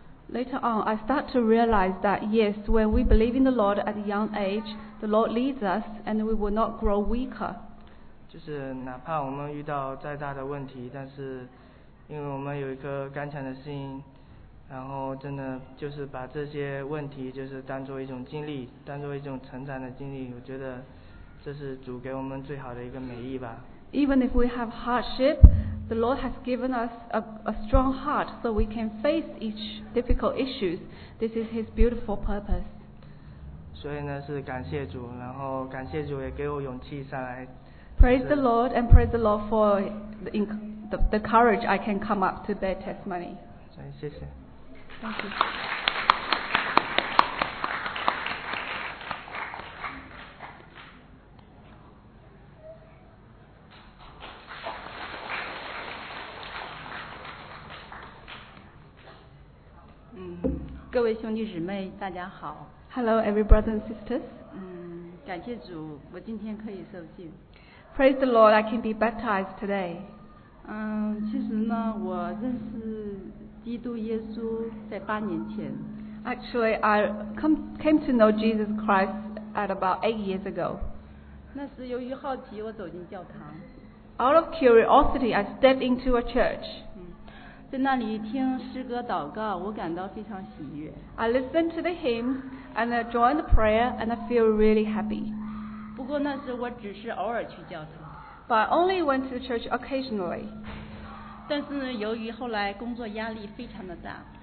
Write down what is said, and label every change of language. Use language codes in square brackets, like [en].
[en] Later on, I start to realize that yes, when we believe in the Lord at a young age, the Lord leads us and we will not grow weaker. [zh] 就是哪怕我们遇到再大的问题，但是因为我们有一颗刚强的心，然后真的就是把这些问题就是当作一种经历，当作一种成长的经历，我觉得这是主给我们最好的一个美意吧。 [en] Even if we have hardship, the Lord has given us a strong heart so we can face each difficult issues. This is His beautiful purpose. [zh] 所以呢，是感谢主，然后感谢主也给我勇气上来。 [en] Praise the Lord and praise the Lord for the courage I can come up to bear testimony. [zh] 谢谢。 [en] Thank you. Hello, every brother and sisters. [zh] 感谢主，我今天可以受浸。 [en] Praise the Lord, I can be baptized today. [zh] 其实呢，我认识基督耶稣在八年前。 [en] Actually, I came to know Jesus Christ at about 8 years ago. [zh] 那是由于好奇，我走进教堂。 [en] Out of curiosity, I stepped into a church. [zh] 在那里听诗歌祷告，我感到非常喜悦。 [en] I listened to the hymn and I joined the prayer and I feel really happy. [zh] 不过那时我只是偶尔去教堂。 [en] But I only went to the church occasionally. [zh] 但是呢，由于后来工作压力非常的大。